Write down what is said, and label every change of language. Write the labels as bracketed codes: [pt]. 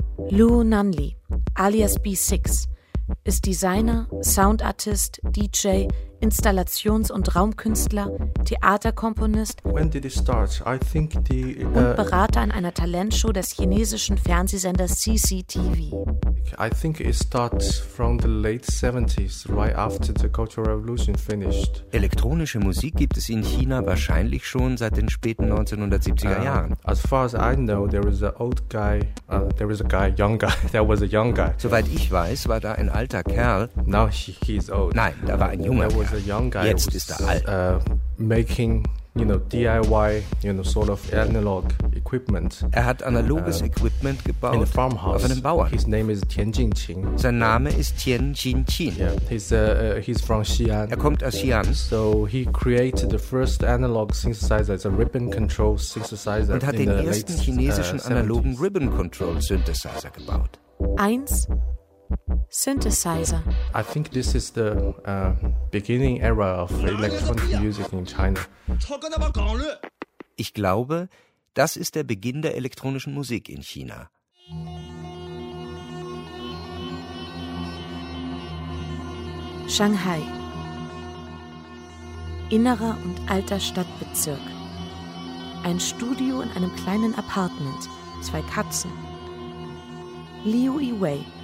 [de] Lu Nanli, alias B6, ist Designer, Soundartist, DJ, Installations- und Raumkünstler, Theaterkomponist und Berater in einer Talentshow des chinesischen Fernsehsenders CCTV. [en] I think it starts from the late 70s, right after the Cultural Revolution finished. [de] Elektronische Musik gibt es in China wahrscheinlich schon seit den späten 1970er Jahren. [en] As far as I know, there was a young guy. [de] Soweit ich weiß, war da ein alter Kerl. [en] Now he's old. [de] Nein, da war ein junger [en] Kerl. There was a young guy. [de] Jetzt ist er alt. [en] Making DIY, sort of analog equipment. [de] Er hat analoges Equipment gebaut [en] in a farmhouse. [de] Auf einem Bauern. [en] His name is Tian Jingqing. [de] Sein Name ist Tian Jingqing. [en] Yeah, he's from Xi'an. [de] Er kommt aus Xi'an. [en] So he created the first analog synthesizer, it's a ribbon control synthesizer. [de] Und hat den ersten chinesischen analogen ribbon control synthesizer gebaut. Eins. Synthesizer. [en] I think this is the beginning era of electronic music in China. [de] Ich glaube, das ist der Beginn der elektronischen Musik in China. Shanghai. Innerer und alter Stadtbezirk. Ein Studio in einem kleinen Apartment. Zwei Katzen. Liu Yiwei.